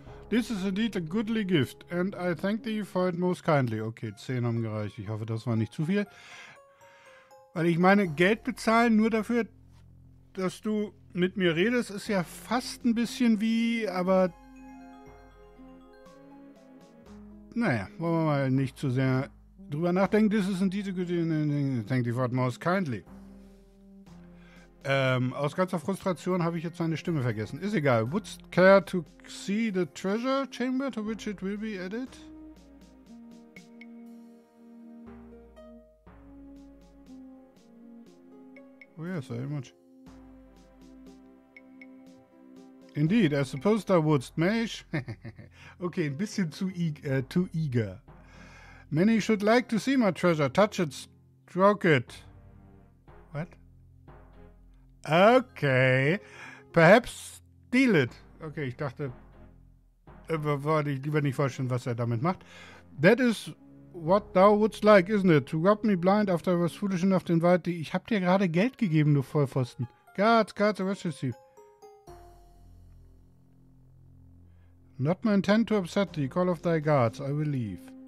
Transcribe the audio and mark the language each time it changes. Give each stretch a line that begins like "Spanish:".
English: This is indeed a goodly gift, and I thank thee for it most kindly.
German: Okay, 10 haben gereicht. Ich hoffe, das war nicht zu viel. Weil ich meine, Geld bezahlen nur dafür, dass du mit mir redest, ist ja fast ein bisschen wie, aber... Naja, wollen wir mal nicht zu sehr drüber nachdenken.
English: This is indeed a good gift, and I thank thee for it most kindly.
German: Aus ganzer Frustration habe ich jetzt meine Stimme vergessen. Ist egal.
English: Would care to see the treasure chamber to which it will be added? Oh yes, very much. Indeed, I suppose thou wouldst, Mage. Okay,
German: ein bisschen
English: too eager. Many should like to see my treasure. Touch it, stroke it. What? Okay, perhaps steal it.
German: Okay, ich dachte, wollte ich lieber nicht vorstellen, was er damit macht.
English: That is what thou wouldst like, isn't it? To rob me blind after I was foolish enough to invite thee.
German: Ich hab dir gerade Geld gegeben, du Vollpfosten.
English: Guards, guards, arrest you. Not my intent to upset thee. Call of thy guards, I will leave.